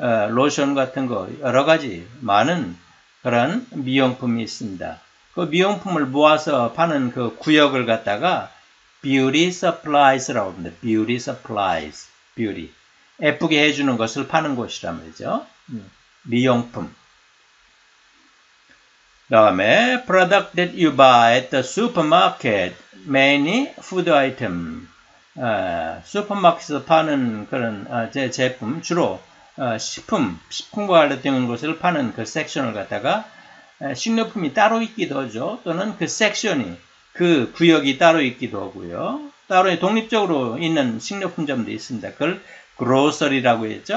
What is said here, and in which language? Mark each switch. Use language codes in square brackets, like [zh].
[ko] 로션 같은 거 여러 가지 많은 그런 미용품이 있습니다. 그 미용품을 모아서 파는 그 구역을 갖다가 뷰티 서플라이즈라고 합니다. 뷰티 서플라이즈. 뷰티. 예쁘게 해주는 것을 파는 곳이라면서죠. 미용품. 다음에 [en] product that you buy at the supermarket, many food item. [ko] 슈퍼마켓에서 파는 그런 제품 주로 식품과 관련된 것을 파는 그 섹션을 갖다가 식료품이 따로 있기도 하죠. 또는 그 섹션이 그 구역이 따로 있기도 하고요. 따로 독립적으로 있는 식료품점도 있습니다. 그걸 그로서리라고 했죠.